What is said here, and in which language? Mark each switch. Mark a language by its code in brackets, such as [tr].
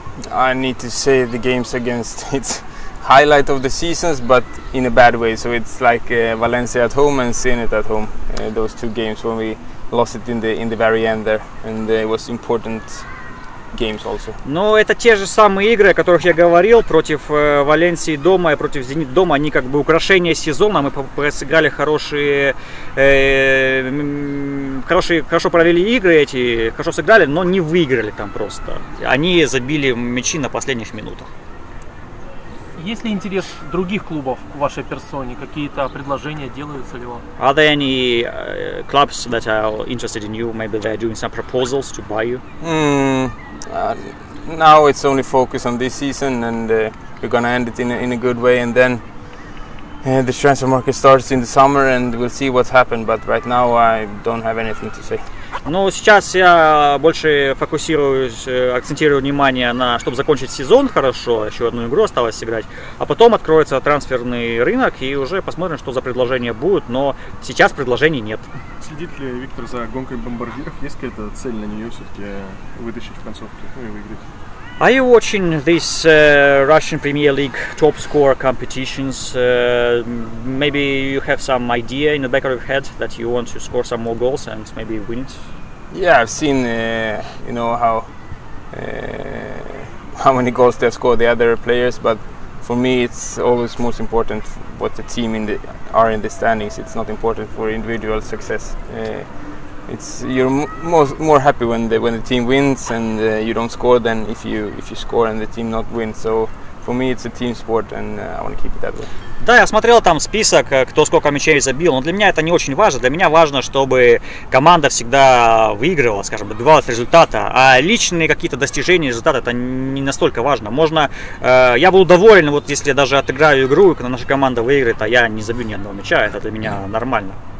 [en] I need to say the games against it. Highlight of the seasons, but in a bad way. So it's like Valencia at home and Zenit at home. Those two games when we lost it in the very end there, and it was important games also. [ru] Но это те же самые игры, о которых я говорил, против Валенсии дома и против Зенит дома. Они как бы украшение сезона. Мы сыграли хорошо провели игры эти, хорошо сыграли, но не выиграли там просто. Они забили мячи на последних минутах. Есть ли интерес других клубов в вашей персоне? Какие-то предложения делаются ли вам? [en] Are there any clubs that are interested in you? Maybe they are doing some proposals to buy you? Now it's only focused on this season, and we're gonna end it in a good way, and then the transfer market starts in the summer, and we'll see what happens. But right now I don't have anything to say. [ru] Но сейчас я больше фокусируюсь, акцентирую внимание на, чтобы закончить сезон хорошо, еще одну игру осталось сыграть, а потом откроется трансферный рынок, и уже посмотрим, что за предложения будут, но сейчас предложений нет. Следит ли Виктор за гонкой бомбардиров? Есть какая-то цель на нее все-таки вытащить в концовке, ну и выиграть? [en] Are you watching this Russian Premier League top scorer competitions? Maybe you have some idea in the back of your head that you want to score some more goals and maybe win it? Yeah, I've seen how many goals they've scored the other players, but for me it's always most important what the team are in the standings. It's not important for individual success. You're more happy when the team wins and you don't score than if you score and the team not win. So for me it's a team sport and I want to keep it that way. [ru] Да, я смотрел там список, кто сколько мячей забил, но для меня это не очень важно. Для меня важно, чтобы команда всегда выигрывала, скажем, добивалась результата. А личные какие-то достижения, результаты, это не настолько важно. Можно, я буду доволен, вот если я даже отыграю игру, когда наша команда выиграет, а я не забью ни одного мяча, это для меня нормально.